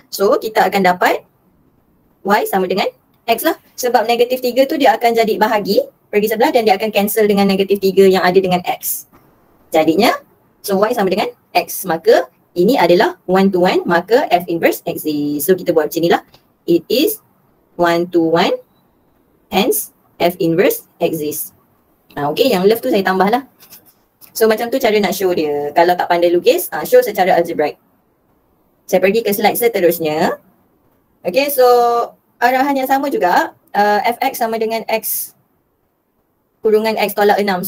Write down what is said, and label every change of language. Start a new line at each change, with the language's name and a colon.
Malay: So kita akan dapat y sama dengan x lah. Sebab negatif 3 tu dia akan jadi bahagi pergi sebelah dan dia akan cancel dengan negatif 3 yang ada dengan x. Jadinya, so y sama dengan x. Maka ini adalah
English: one to one,
Malay: maka
English: f inverse exists.
Malay: So kita buat macam inilah.
English: It is one to one, hence f inverse exists.
Malay: Nah, okay, yang left tu saya tambahlah. So macam tu cara nak show dia. Kalau tak pandai lukis, show secara algebraic. Saya pergi ke slide seterusnya. Okay, so arahan yang sama juga, fx sama dengan x kurungan x tolak 6.